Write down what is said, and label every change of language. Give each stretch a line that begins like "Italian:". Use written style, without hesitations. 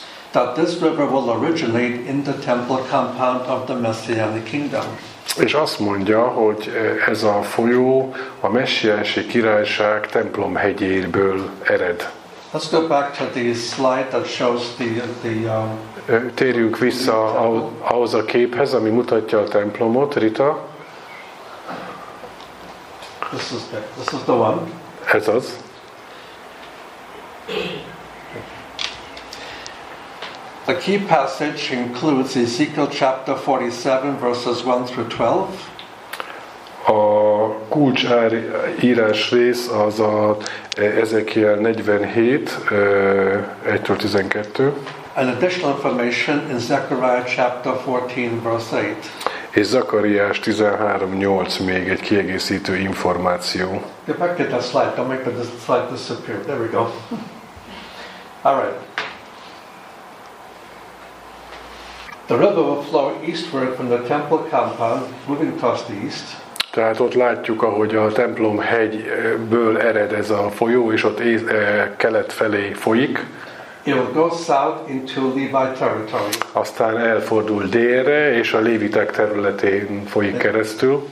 English: That this river will originate in the temple compound of the Messianic kingdom.
Hungarian: És azt mondja, hogy ez a folyó a messiási királyság templom hegyéből ered.
English: Let's go back to the slide that shows the
Hungarian: térjünk vissza ahhoz a képhez, ami mutatja a templomot, Rita.
English: This is the one.
Hungarian: Ez az.
English: The key passage includes Ezekiel chapter 47 verses 1 through 12.
Hungarian: A kulcs írás rész az a Ezekiel 47, 1-től 12.
English: And additional information in Zechariah chapter 14 verse 8.
Hungarian: És Zakariás 13:8 még egy kiegészítő információ.
English: Get back to that slide, don't make the slide disappear. There we go. All right. The river will flow eastward from the temple compound, moving towards the east.
Hungarian: Tehát ott látjuk, ahogy a templom hegyből ered ez a folyó, és ott kelet felé folyik.
English: It will go south into Levi territory.
Hungarian: Aztán elfordul délre, és a Lévitek területén folyik keresztül.